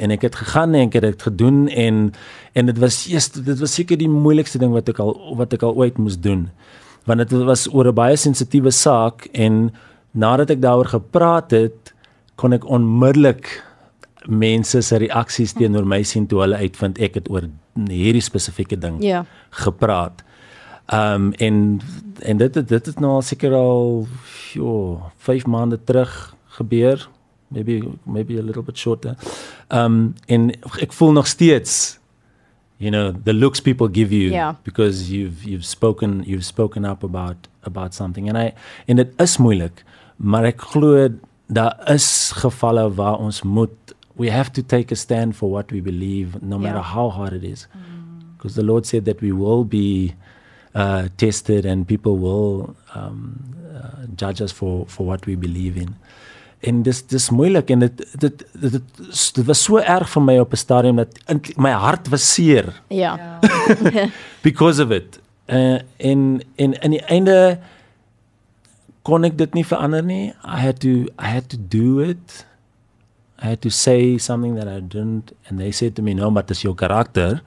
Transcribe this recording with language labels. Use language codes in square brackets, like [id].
[af] En ek het gegaan en ek het dit gedoen en dit was seker die moeilikste ding wat ek al ooit moes doen. Want dit was oor 'n baie sensitiewe saak en nadat ek daaroor gepraat het, kon ek onmiddellik mense se reaksies teenoor my sien toe hulle uitvind ek het oor hierdie spesifieke ding gepraat. En dit het nou al seker al 5 maande terug gebeur. [en] Maybe a little bit shorter. [af] En ek voel nog steeds, [en] you know, the looks people give you because you've spoken up about something. [af] En dit is moeilik, maar ek glo daar is gevalle waar ons moet, [en] we have to take a stand for what we believe, no matter how hard it is. Because the Lord said that we will be tested and people will judge us for what we believe in. [af] En dis moeilik en dit was so erg vir my op 'n stadium dat my hart was seer. Ja. [en] Because of it. [af] En in die einde kon ek dit nie verander nie. [en] I had to do it. I had to say something that I didn't and they said to me, no, but it's your karakter.